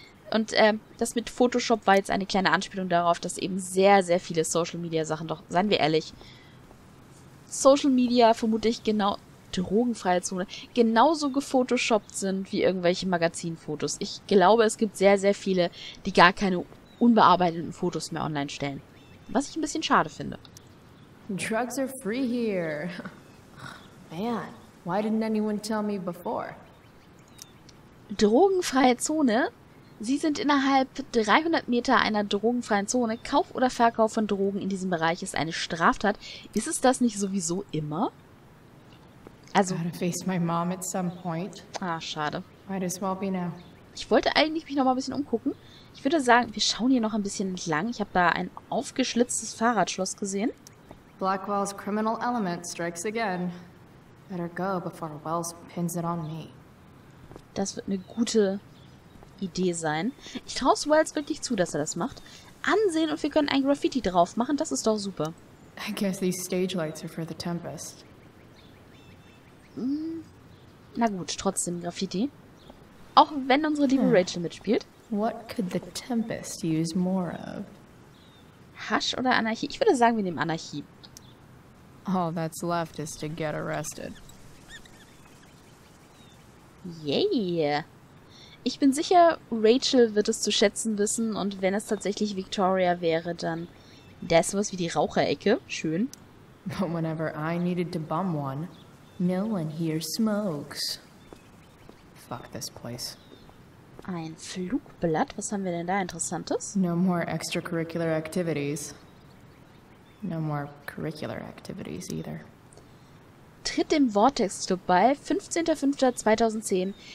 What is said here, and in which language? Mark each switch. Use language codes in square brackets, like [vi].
[de] Und das mit Photoshop war jetzt eine kleine Anspielung darauf, dass eben sehr, sehr viele Social-Media-Sachen, doch seien wir ehrlich, Social-Media vermutlich genau, drogenfreie Zone, genauso gefotoshoppt sind wie irgendwelche Magazinfotos. Ich glaube, es gibt sehr, sehr viele, die gar keine unbearbeiteten Fotos mehr online stellen. Was ich ein bisschen schade finde. [en] Drugs are free here. Man, why didn't anyone tell me before? [de] Drogenfreie Zone? Sie sind innerhalb 300 Meter einer drogenfreien Zone. Kauf oder Verkauf von Drogen in diesem Bereich ist eine Straftat. Ist es das nicht sowieso immer? Also, [en] gotta face my mom at some point. [de] Ah, schade. [en] Might as well be now. [de] Ich wollte eigentlich mich noch mal ein bisschen umgucken. Ich würde sagen, wir schauen hier noch ein bisschen entlang. Ich habe da ein aufgeschlitztes Fahrradschloss gesehen. [en] Blackwell's criminal element strikes again. Better go before Wells pins it on me. [de] Das wird eine gute Idee sein. Ich traue es Wells wirklich zu, dass er das macht. Ansehen und wir können ein Graffiti drauf machen. Das ist doch super. [en] I guess these stage lights are for the Tempest. [de] Na gut, trotzdem Graffiti. Auch wenn unsere liebe Rachel mitspielt. [en] What could the Tempest use more of? [de] Hasch oder Anarchie? Ich würde sagen, wir nehmen Anarchie. [en] All that's left is to get arrested. Yeah. [de] Ich bin sicher, Rachel wird es zu schätzen wissen und wenn es tatsächlich Victoria wäre, dann das was wie die Raucherecke. Schön. [en] But whenever I needed to bum one, no one here smokes. Fuck this place. [de] Ein Flugblatt? Was haben wir denn da Interessantes? [en] No more extracurricular activities. No more curricular activities either. [de] Tritt dem Vortex-Club bei, 15.05.2010.